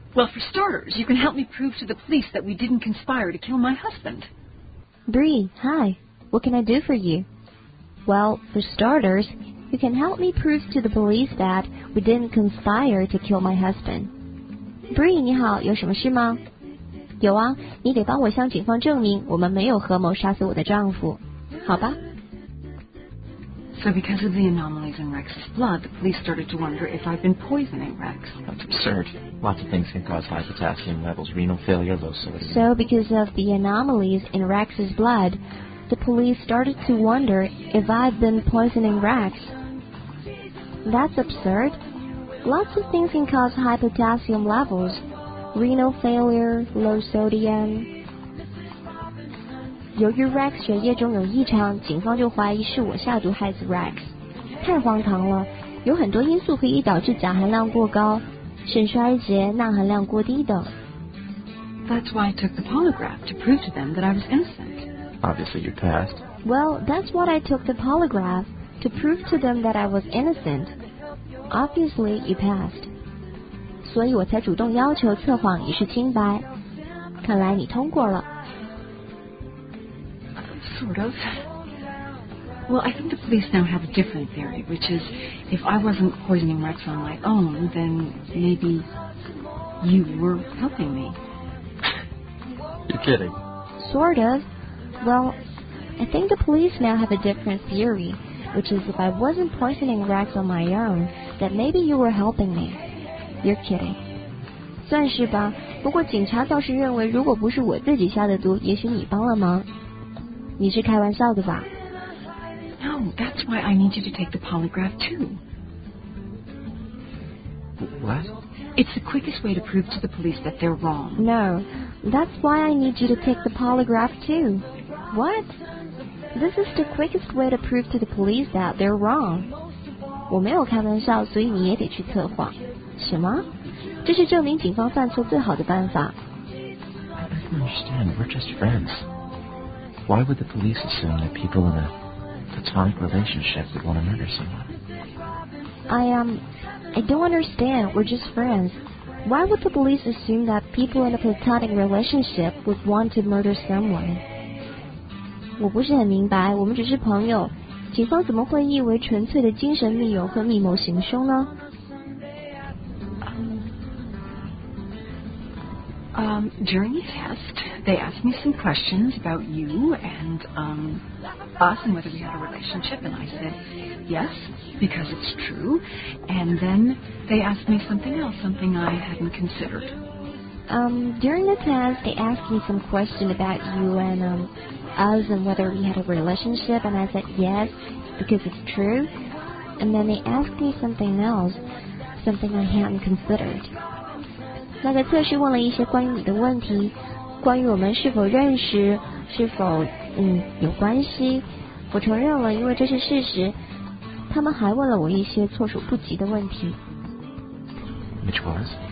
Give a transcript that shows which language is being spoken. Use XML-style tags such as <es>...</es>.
<en>Well, for starters, you can help me prove to the police that we didn't conspire to kill my husband. Bree, hi. What can I do for you? Well, for starters, you can help me prove to the police that we didn't conspire to kill my husband.</en> <zh>Bree, 你好，有什么事吗？有啊，你得帮我向警方证明我们没有合谋杀死我的丈夫，好吧？</zh> <en>So because of the anomalies in Rex's blood, the police started to wonder if I'd been poisoning Rex. That's absurd. Lots of things can cause high potassium levels, renal failure, low sodium. So because of the anomalies in Rex's blood, the police started to wonder if I'd been poisoning Rex. That's absurd. Lots of things can cause high potassium levels, renal failure, low sodium.</en> <zh>由于 Rex 血液中有异常，警方就怀疑是我下毒害死 Rex。太荒唐了，有很多因素可以导致钾含量过高、肾衰竭、钠含量过低等。</zh> <en>That's why I took the polygraph, to prove to them that I was innocent. Obviously you passed. Well, that's why I took the polygraph, to prove to them that I was innocent. Obviously, you passed.</en> <zh>所以我才主动要求测谎以示清白。看来你通过了。</zh> <en>Sort of. Well, I think the police now have a different theory, which is if I wasn't poisoning Rex on my own, then maybe you were helping me. You're kidding. Sort of. Well, I think the police now have a different theory. Which is, if I wasn't poisoning Rex on my own, then maybe you were helping me. You're kidding.</en> <zh>算是吧，不过警察倒是认为如果不是我自己下的毒，也许你帮了忙。你是开玩笑的吧？</zh> <en>No, that's why I need you to take the polygraph too. What? It's the quickest way to prove to the police that they're wrong. No, that's why I need you to take the polygraph too. What? This is the quickest way to prove to the police that they're wrong.</en> <zh>我没有开玩笑，所以你也得去测谎。什么？这是证明警方犯错最好的办法。</zh> <en>I don't understand. We're just friends. Why would the police assume that people in a platonic relationship would want to murder someone? I don't understand. We're just friends. Why would the police assume that people in a platonic relationship would want to murder someone?</en> <zh>我不是很明白，我们只是朋友。警方怎么会以为纯粹的精神密友会密谋行凶呢？</zh> <en>During the test, they asked me some questions about you and us and whether we had a relationship, and I said yes, because it's true. And then they asked me something else, something I hadn't considered. During the test, they asked me some questions about you and us and whether we had a relationship, and I said yes, because it's true. And then they asked me something else, something I hadn't considered.</en> <zh>那个测试问了一些关于你的问题，关于我们是否认识，是否有关系。我承认了，因为这是事实。他们还问了我一些措手不及的问题。</zh> <en>Which was?</en>